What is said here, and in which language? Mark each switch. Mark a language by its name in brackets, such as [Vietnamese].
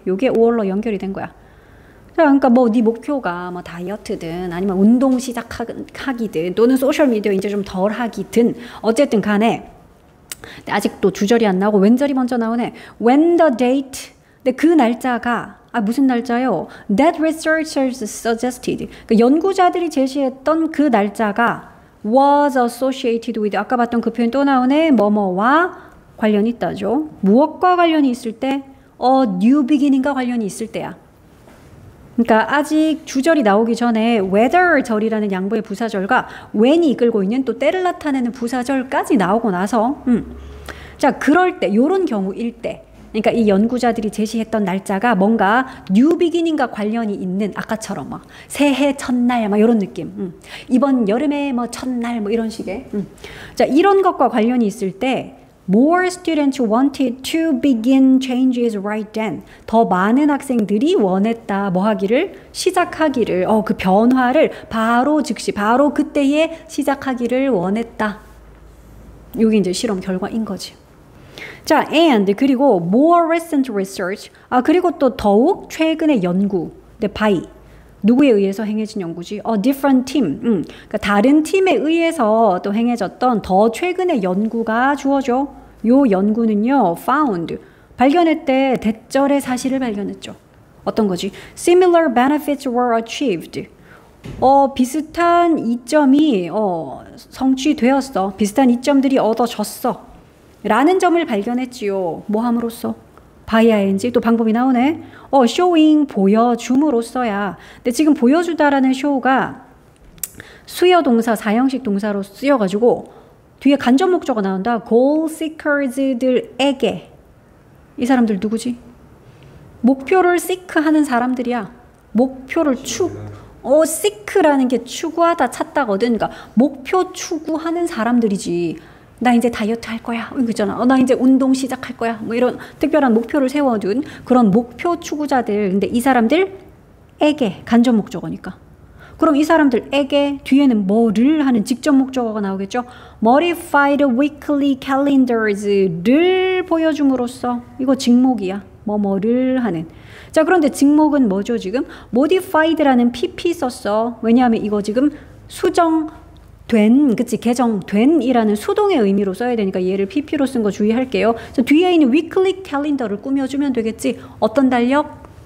[Korean] 이게 or로 연결이 된 거야. 그러니까 뭐 네 목표가 뭐 다이어트든 아니면 운동 시작하기든 또는 소셜미디어 이제 좀 덜 하기든 어쨌든 간에 아직도 주절이 안 나오고 when절이 먼저 나오네. [English] When the date. [Korean] 근데 그 날짜가 무슨 날짜요? [English] That researchers suggested. [Korean] 그 연구자들이 제시했던 그 날짜가 [English] was associated with. [Korean] 아까 봤던 그 표현 또 나오네. 뭐뭐와 관련이 있다죠. 무엇과 관련이 있을 때? A new beginning과 관련이 있을 때야. 그러니까 아직 주절이 나오기 전에 whether절이라는 양보의 부사절과 when이 이끌고 있는 또 때를 나타내는 부사절까지 나오고 나서 자 그럴 때 요런 경우일 때 그러니까 이 연구자들이 제시했던 날짜가 뭔가 new beginning과 관련이 있는 아까처럼 막 새해 첫날 막 요런 느낌 이번 여름에 뭐 첫날 뭐 이런 식의 자 이런 것과 관련이 있을 때 [English] More students wanted to begin changes right then. [Korean] 더 많은 학생들이 원했다. 뭐 하기를? 시작하기를. 그 변화를 바로 즉시, 바로 그때에 시작하기를 원했다. 이게 이제 실험 결과인 거지. 자, [English] and [Korean] 그리고 [English] more recent research. [Korean] 그리고 또 더욱 최근의 연구. 근데 by 누구에 의해서 행해진 연구지? [English] A different team. [Korean] 그러니까 다른 팀에 의해서 또 행해졌던 더 최근의 연구가 주어져. 요 연구는요, found. 발견했대, 대절의 사실을 발견했죠. 어떤 거지? [English] Similar benefits were achieved. [Korean] 비슷한 이점이 성취되었어. 비슷한 이점들이 얻어졌어. 라는 점을 발견했지요. 뭐 함으로써? by ing 또 방법이 나오네. showing 보여줌으로써야. 근데 지금 보여주다라는 show가 수여 동사 사형식 동사로 쓰여가지고 뒤에 간접 목적어 나온다. goal seekers들에게 이 사람들 누구지? 목표를 seek 하는 사람들이야. 목표를 seek라는 게 추구하다 찾다거든. 그러니까 목표 추구하는 사람들이지. 나 이제 다이어트 할 거야. 그잖아. 나 이제 운동 시작할 거야. 뭐 이런 특별한 목표를 세워둔 그런 목표 추구자들. 근데 이 사람들에게 간접 목적어니까. 그럼 이 사람들에게 뒤에는 뭐를 하는 직접 목적어가 나오겠죠. [English] Modified weekly calendars를 [Korean] 보여줌으로써. 이거 직목이야. 뭐뭐를 하는. 자 그런데 직목은 뭐죠 지금? Modified라는 PP 썼어. 왜냐하면 이거 지금 수정 된, 그치, 개정된 이라는 수동의 의미로 써야 되니까 얘를 PP로 쓴 거 주의할게요. 그래서 뒤에 있는 weekly calendar를 꾸며주면 되겠지. 어떤 달력?